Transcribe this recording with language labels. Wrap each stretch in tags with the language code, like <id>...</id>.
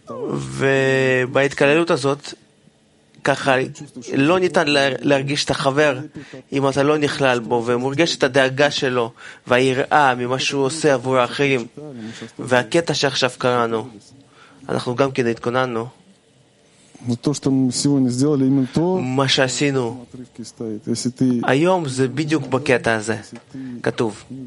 <he>ובהתקללות הזאת, ככה, לא ניתן להרגיש את החבר אם אתה לא נכלל בו, ומורגש את הדאגה שלו והיראה ממה שהוא עושה עבור האחרים. והקטע שעכשיו קראנו, אנחנו גם כן התכוננו.</he> <ru>то, что мы сегодня сделали, именно то,</ru> <he>מה שעשינו היום זה בדיוק בקטע הזה כתוב.</he>